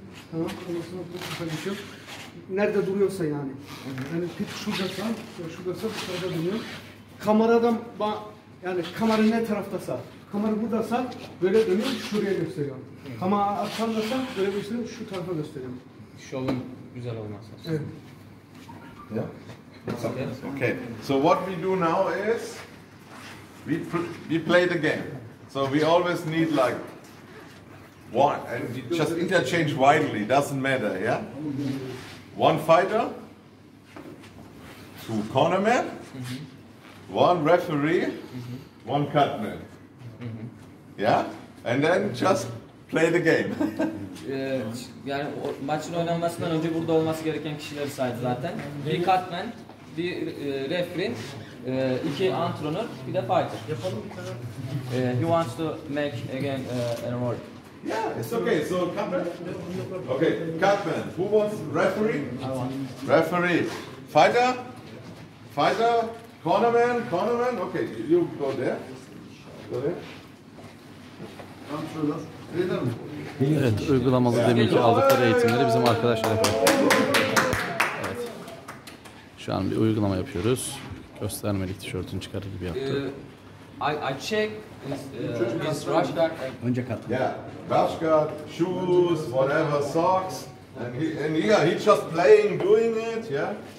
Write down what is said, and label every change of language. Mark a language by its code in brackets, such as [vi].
[tr] Tamam, olması noktası çalışıyor. Nerede duruyorsa yani. Yani pit şuradasa, şuradasa burada duruyor. Kameradan yani kamera ne taraftasa, kamera buradasa böyle dönüyor, şuraya gösteriyorum. Kamera arkandasa böyle gösteriyorum, şu tarafa gösteriyorum. Şovun güzel olmazsa. Evet. [en] Ya. So, okay. So what we do now is we play the game. So we always need like one and you just interchange widely, doesn't matter, yeah? One fighter, two corner men, one referee, one cut man. Yeah? And then just play the game. [tr] yani o, maçın oynanmasından önce burada olması gereken kişileri saydı zaten. Bir cut man, bir referee, iki antrenör, bir de fighter. [en] He wants to make again an award. Yeah, it's okay. So, Katman. Okay, Katman. Who wants referee? I want. Referee. Fighter? Fighter? Cornerman? Cornerman? Okay, you go there. Go there. I'm sure that's freedom. [tr] Evet, uygulamalı demin ki aldıkları eğitimleri bizim arkadaşlar yapıyor. Evet. Şu an bir uygulama yapıyoruz. Göstermelik tişörtünü çıkarır gibi yaptı. [en] I check his rush [tr] guard. Önce kat. [en] Yeah, rush guard, shoes, whatever, socks. And he, yeah, he just playing, doing it, yeah.